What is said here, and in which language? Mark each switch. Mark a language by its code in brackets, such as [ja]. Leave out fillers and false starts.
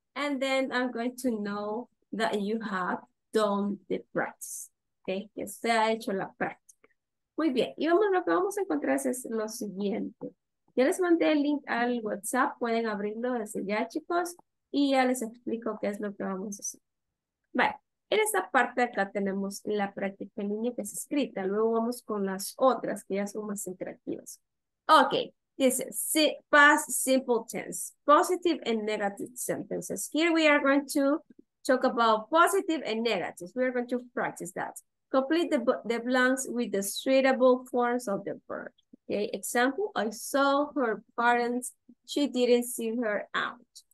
[en] And then I'm going to know that you have done the practice, ok. [es] Que usted ha hecho la práctica. Muy bien, y vamos, lo que vamos a encontrar es lo siguiente. Ya les mandé el link al WhatsApp, pueden abrirlo desde ya, chicos. Y ya les explico qué es lo que vamos a hacer. Vale, en esta parte acá tenemos la práctica en línea que es escrita. Luego vamos con las otras que ya son más interactivas. [en] Ok, [es] dice, [en] past simple tense, positive and negative sentences. Here we are going to talk about positive and negative. We are going to practice that. Complete the blanks with the suitable forms of the verb. Okay, example, I saw her parents, she didn't see her out.